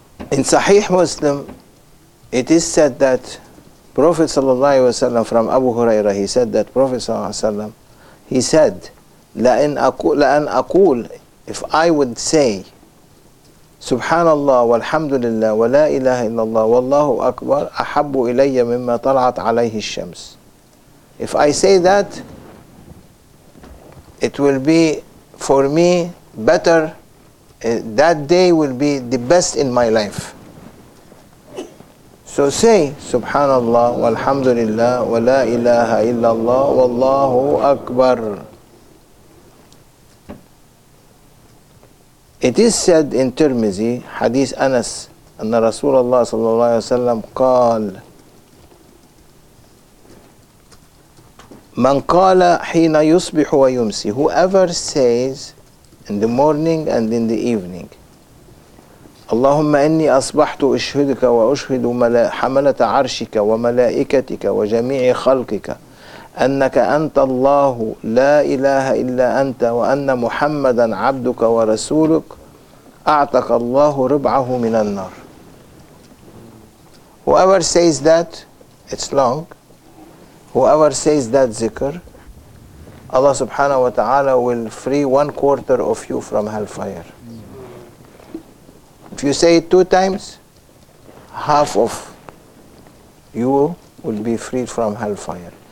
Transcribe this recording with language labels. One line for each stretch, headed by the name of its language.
English: In Sahih Muslim, it is said that Prophet sallallahu alaihi wasallam, from Abu Hurairah, he said that Prophet sallallahu alaihi wasallam, he said,
Arabic: لأن أقول,
English: if I would say,
Arabic: سبحان الله والحمد لله ولا إله إلا الله والله أكبر أحب إلي مما طلعت عليه الشمس.
English: If I say that, it will be for me better, that day will be the best in my life. So say,
Arabic: سبحان الله والحمد لله ولا إله إلا الله والله أكبر.
English: It is said in Tirmizi, Hadith Anas,
Arabic: أن رسول الله صلى الله عليه وسلم قال من قال حين يصبح ويمسي.
English: Whoever says in the morning and in the evening,
Arabic: اللهم إني أصبحت أشهدك وأشهد حملة عرشك وملائكتك وجميع خلقك أنك أنت الله لا إله إلا أنت وأن محمدا عبدك ورسولك أعتق الله ربعه من النار.
English: Whoever says that, it's long. Whoever says that zikr, Allah subhanahu wa ta'ala will free one quarter of you from hellfire. If you say it two times, half of you will be freed from hellfire.